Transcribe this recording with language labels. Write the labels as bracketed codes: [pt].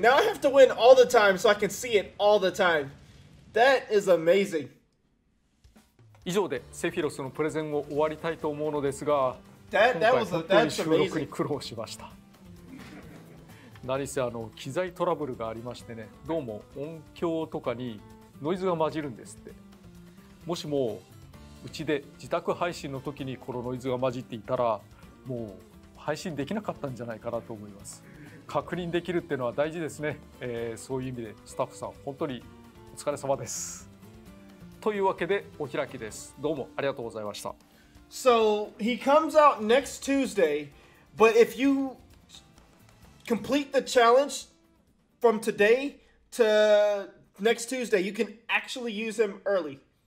[en] Now I have to win all the time so I can see it all the time. That is amazing. [ja] 以上でセフィロスのプレゼンを終わりたいと思うのですが、 [en] that was amazing. [ja] 今回本当に収録に苦労しました。何せ機材トラブルがありましてね、どうも音響とかにノイズが混じるんですって。もしもうちで自宅配信の時にこのノイズが混じっていたら、もう配信できなかったんじゃないかなと思います。確認できるっていうのは大事ですね。そういう意味でスタッフさん、本当にお疲れ様です。というわけでお開きです。どうもありがとうございました。 [en] So, he comes out next Tuesday, but if you complete the challenge from today to next Tuesday, you can actually use him early.